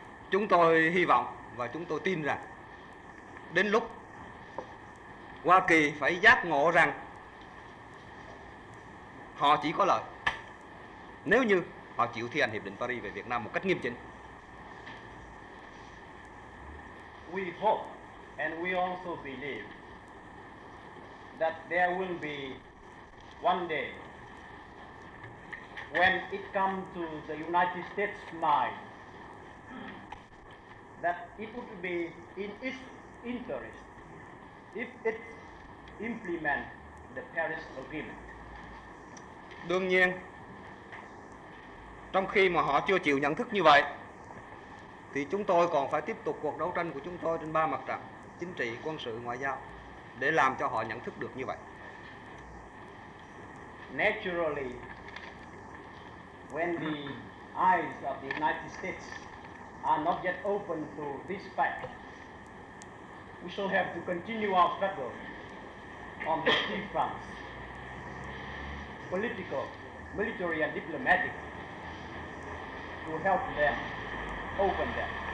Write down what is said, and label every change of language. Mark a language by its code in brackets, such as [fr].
[vi] Chúng tôi hy vọng và chúng tôi tin rằng đến lúc Hoa Kỳ phải giác ngộ rằng họ chỉ có lợi nếu như họ chịu thi hành hiệp định Paris về Việt Nam một cách nghiêm chỉnh. [en] We hope and we also believe that there will be one day when it comes to the United States' mind that it would be in its interest if it implement the Paris Agreement. [vi] Đương nhiên, trong khi mà họ chưa chịu nhận thức như vậy, thì chúng tôi còn phải tiếp tục cuộc đấu tranh của chúng tôi trên ba mặt trận chính trị, quân sự, ngoại giao để làm cho họ nhận thức được như vậy. [en] Naturally, when the eyes of the United States are not yet open to this fact, we shall have to continue our struggle on the three fronts, political, military and diplomatic, to help them open them.